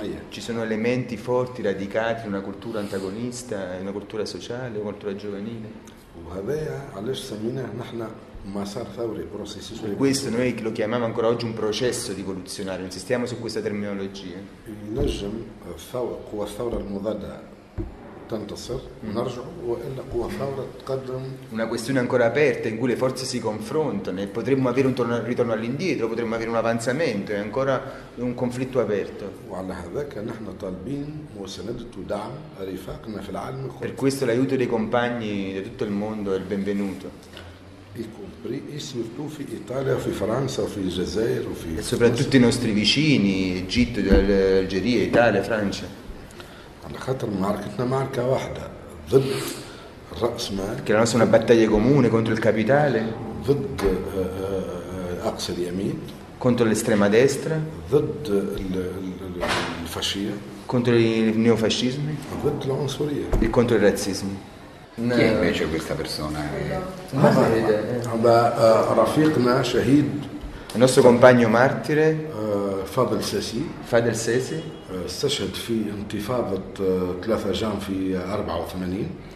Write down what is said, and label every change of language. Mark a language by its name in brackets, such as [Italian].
[Italian] Ci sono elementi forti, radicati, una cultura antagonista, una cultura sociale, una cultura giovanile. [Arabic] وهذايا علاش سميناه نحن مسار ثوري بروسيسيس. [Italian] Questo noi lo chiamiamo ancora oggi un processo rivoluzionario, insistiamo su questa terminologia. [Arabic] نجم قوى الثورة المضادة تنتصر ونرجع وإلا قوى الثورة تقدم. [Italian] Una questione ancora aperta in cui le forze si confrontano e potremmo avere un ritorno all'indietro, potremmo avere un avanzamento, è ancora un conflitto aperto. [Arabic] وعلى هذاك نحن طالبين مساندة ودعم رفاقنا في العالم. [Italian] Per questo l'aiuto dei compagni di tutto il mondo è il benvenuto. E soprattutto i nostri vicini, Egitto, Algeria, Italia, Francia. [Arabic] على خاطر معركتنا معركة واحدة ضد الرأس مال, [Italian] perché la nostra è una battaglia comune contro il capitale, [Arabic] ضد أقصى اليمين, [Italian] contro l'estrema destra, [Arabic] ضد الفاشية [Italian] contro i neofascismi contro l'omosfobia e contro il razzismo. No. Chi è invece questa persona? [Arabic] Rafiqna Shahid, [Italian] il nostro compagno martire Fadel Sesi. Fadel Sesi [Arabic] استشهد في انتفاضة 3 جان في 84